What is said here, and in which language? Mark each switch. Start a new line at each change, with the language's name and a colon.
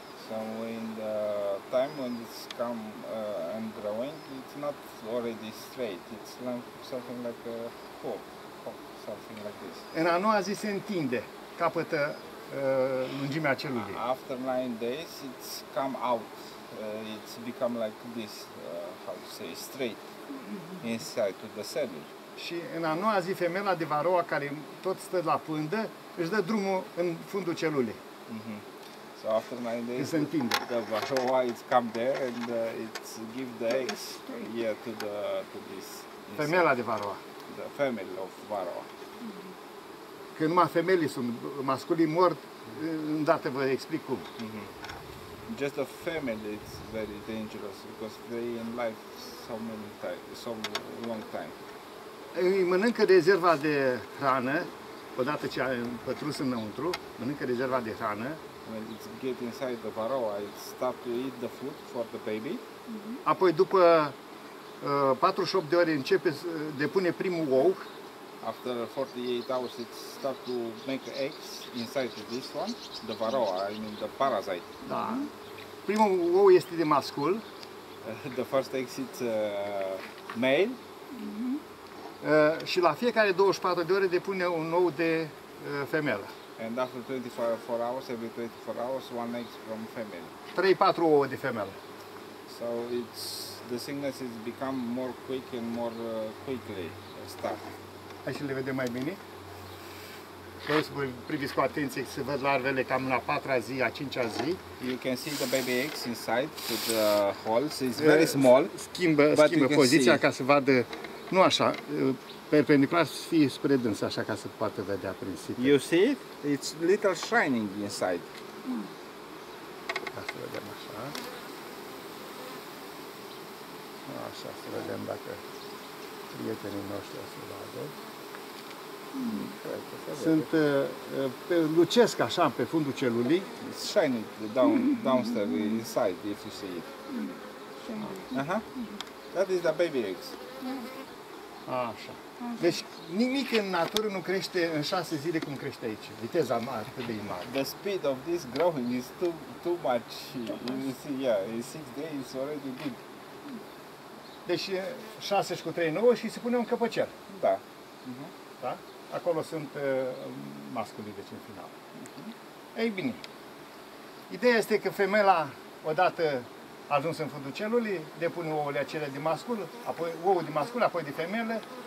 English: So in the time when it's come and growing, it's not already straight, it's something like a hook, something like this.
Romanian: În a noua zi se întinde, capătă lungimea celulei.
English: After 9 days it's come out. It's become like this, how to say, straight inside to the cellule.
Romanian: Și în a noua zi femeia de varoa care tot stă la pândă, își dă drumul în fundul celulei.
English: Mm-hmm. So after 9 days
Romanian: se întinde.
English: The varoa it's come there and it's give the eggs here to the to this.
Romanian: Femeia de varoa.
English: The female of varoa.
Romanian: Că numai femeile sunt masculini mort, îndată vă explic cum. Mm-hmm.
English: Just the female it's very dangerous because they in life so many time, so long time.
Romanian: Îi mănâncă rezerva de hrană, odată ce a împătrus înăuntru, mănâncă rezerva de hrană.
English: When it gets inside the varroa, it starts to eat the food for the baby. Mm-hmm.
Romanian: Apoi după 48 de ore începe să depune primul ou.
English: After 48 hours it starts to make eggs inside this one, the varroa, I mean the parasite.
Romanian: Da. Primul ou este de mascul.
English: The first egg is male.
Romanian: Și la fiecare 24 de ore depune un ou de femelă.
English: And after 24 hours, every 24 hours, one egg from female.
Romanian: 3-4 ouă de femelă.
English: So it's the sickness is become more quick and more quickly start.
Romanian: Hai să le vedem mai bine. Vreau să vă priviți cu atenție să văd larvele cam la 4-a zi, a 5-a zi.
English: You can see the baby eggs inside to the holes. It's very small.
Romanian: Schimbă poziția ca să vadă. Nu așa, perpendicular fie spre dâns, așa ca să poată vedea prin sită.
English: You see it? It's little shining inside.
Romanian: Ca să vedem așa. Așa, să vedem dacă prietenii noștri o să vadă. Sunt, lucesc așa pe fundul celulii.
English: It's shining downstairs inside, if you see it. That is the baby eggs.
Romanian: Așa. Deci nimic în natură nu crește în 6 zile cum crește aici. Viteza mare, atât de mare.
English: The speed of this growing is too much. You see, yeah, in 6 days it's already big.
Romanian: Deci 6 cu 3, 9 și se pune un căpăcel. Da. Da? Acolo sunt masculii, deci în final. Ei bine, ideea este că femeia odată ajuns în fundul celulii, depun ouăle acelea de mascul, apoi ouă de mascul, apoi de femele.